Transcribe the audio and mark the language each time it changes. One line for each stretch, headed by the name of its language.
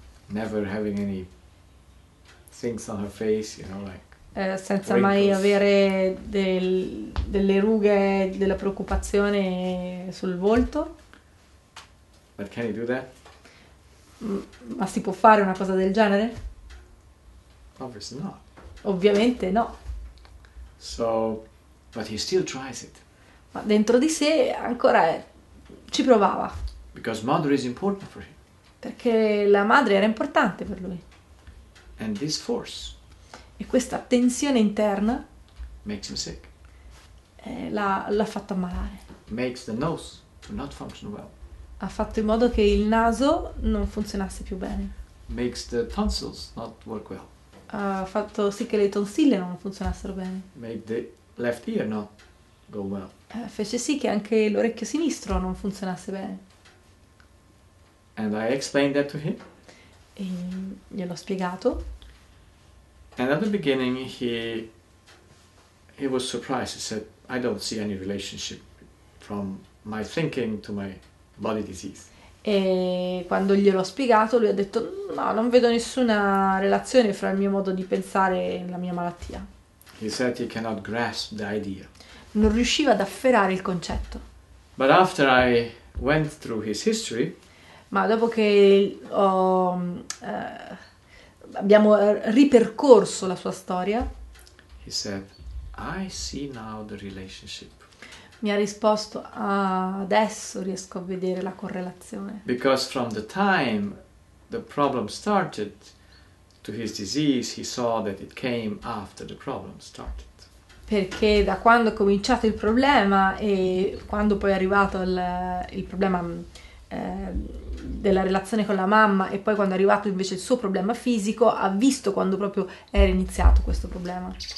English: Never having any things on her face, you know, like.
Italian: Senza
English: wrinkles.
Italian: Mai avere delle rughe, della preoccupazione sul volto.
English: But can he do that?
Italian: Ma si può fare una cosa del genere?
English: Obviously not.
Italian: Ovviamente no.
English: So, but he still tries it.
Italian: Ma dentro di sé ancora ci provava.
English: Because mother is important for him.
Italian: Perché la madre era importante per lui.
English: And this force.
Italian: E questa tensione interna
English: makes him sick.
Italian: L'ha fatto ammalare.
English: Makes the nose to not function well.
Italian: Ha fatto in modo che il naso non funzionasse più bene.
English: Makes the tonsils not work well.
Italian: Ha fatto sì che le tonsille non funzionassero bene.
English: Make the left ear not go well.
Italian: Fece sì che anche l'orecchio sinistro non funzionasse bene.
English: And I explained that to him.
Italian: E glielo ho spiegato.
English: And at the beginning he was surprised. He said, I don't see any relationship from my thinking to my body disease.
Italian: E quando gliel'ho spiegato lui ha detto, no, non vedo nessuna relazione fra il mio modo di pensare e la mia malattia.
English: He said he cannot grasp the idea.
Italian: Non riusciva ad afferrare il concetto.
English: But after I went through his history,
Italian: ma dopo che ho abbiamo ripercorso la sua storia.
English: He said, I see now the relationship.
Italian: Mi ha risposto, adesso riesco a vedere la correlazione.
English: Because from the time the problem started to his disease, he saw that it came after the problem started.
Italian: Perché da quando è cominciato il problema e quando poi è arrivato il problema della relazione con la mamma e poi quando è arrivato invece il suo problema fisico ha visto quando proprio era iniziato questo problema.